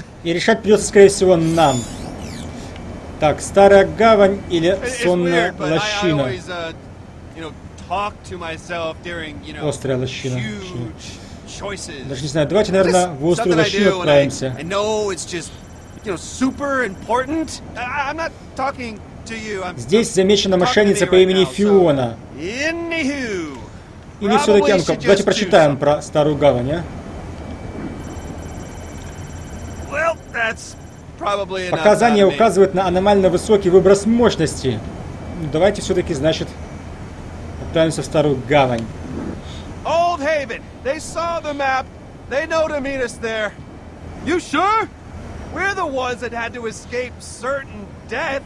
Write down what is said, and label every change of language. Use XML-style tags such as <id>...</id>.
<ru>И решать придется, скорее всего, нам. Так, Старая Гавань или Сонная Лощина?</ru> <en>It's weird, but I always, talk to myself during, you know,</en> <ru>Острая Лощина.</ru> <en>Huge choices.</en> <ru>Даже не знаю, давайте, наверное, в Острую Лощину отправимся.</ru> <en>I know it's just... You know, super important. I'm not talking to you.</en> <ru>Здесь замечена мошенница по имени Фиона.</ru> <en>Anywho,</en> <ru>или все-таки, ну-ка, давайте прочитаем про Старую Гавань, а?</ru> <en>Well, that's probably enough.</en> <ru>Показания указывают на аномально высокий выброс мощности. Давайте все-таки, значит, отправимся в Старую Гавань.</ru> <en>Old Haven. They saw the map. They know to meet us there. You sure? We're the ones that had to escape certain death.</en>